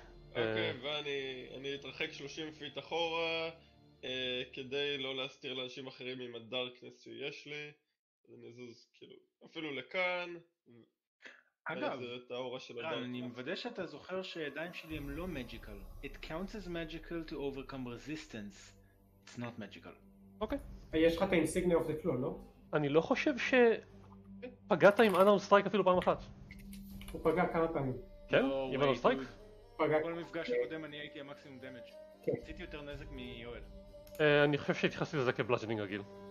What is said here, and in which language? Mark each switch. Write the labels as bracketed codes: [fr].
[he] אוקיי, ואני אתרחק 30 פיט אחורה, כדי לא להסתיר לאנשים אחרים עם הדארקנס שיש לי, אז אני אזוז כאילו אפילו לכאן. אגב, אני מוודא שאתה זוכר שהידיים שלי הם לא מג'יקל. [en] It counts as magical to overcome resistance, it's not magical. [he] אוקיי. יש לך את האינסיגניה אוף דה קלו, לא? אני לא חושב שפגעת עם אנאון סטרייק אפילו פעם אחת. הוא פגע כמה פעמים. כן? עם אנאון סטרייק? פגע. כל מפגש הקודם אני הייתי המקסימום דמג'. כן. עשיתי יותר נזק מיואל. אני חושב שהתייחסתי לזה כבלאג'נינג רגיל.